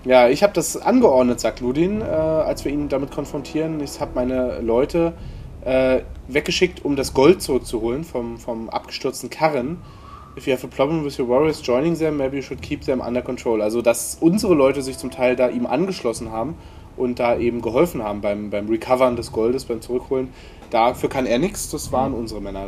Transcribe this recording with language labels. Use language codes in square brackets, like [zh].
[de] Ich habe das angeordnet, sagt Ludin, als wir ihn damit konfrontieren. Ich habe meine Leute weggeschickt, um das Gold zurückzuholen vom abgestürzten Karren. [en] If you have a problem with your warriors joining them, maybe you should keep them under control. [de] Also, dass unsere Leute sich zum Teil da ihm angeschlossen haben und da eben geholfen haben beim Recovern des Goldes, beim Zurückholen. Dafür kann er nichts, das waren unsere Männer.